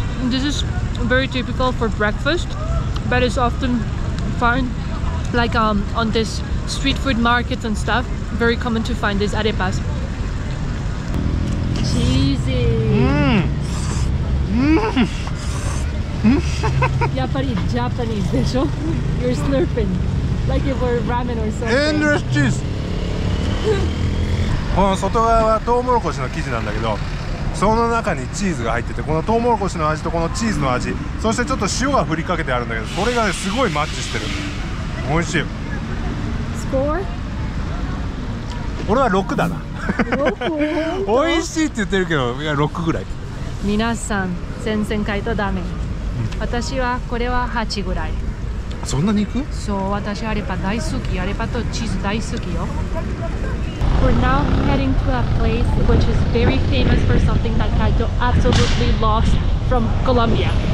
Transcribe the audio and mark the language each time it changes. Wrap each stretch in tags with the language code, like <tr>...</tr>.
<en>This is very typical for breakfast, but it's often found like on this street food markets and stuff. Very common to find this arepas. Cheesy.</en> <ja>やっぱり Japanese でしょ?</ja> <en>You're slurping like if we're ramen or something. Endless cheese.</en> <ja>この外側はトウモロコシの生地なんだけど、その中にチーズが入ってて、このトウモロコシの味とこのチーズの味、そしてちょっと塩が振りかけてあるんだけど、それがねすごいマッチしてる、美味しい。スコア？俺は6だな。美味しいって言ってるけど、いや6ぐらい。皆さん全然買いとダメ、うん、私はこれは8ぐらい。そんなに行く？そう、私アレパ大好き、アレパとチーズ大好きよ。</ja> <en>We're now heading to a place which is very famous for something that Kaito absolutely loves from Colombia.</en>